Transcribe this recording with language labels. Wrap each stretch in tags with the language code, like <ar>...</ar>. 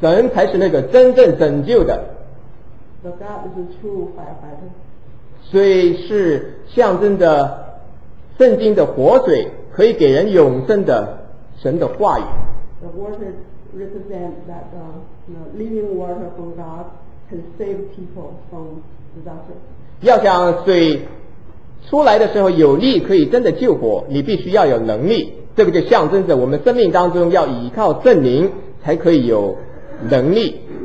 <zh>神才是那个真正拯救的。</zh> <en>The God is the true firefighter.</en> <zh>水是象征着圣经的活水，可以给人永生的神的话语。</zh> <en>The water represents that the living water from God can save people from disaster.</en> <zh>要想水出来的时候有力可以真的救火，你必须要有能力，这个就象征着我们生命当中要依靠圣灵才可以有能力。</zh>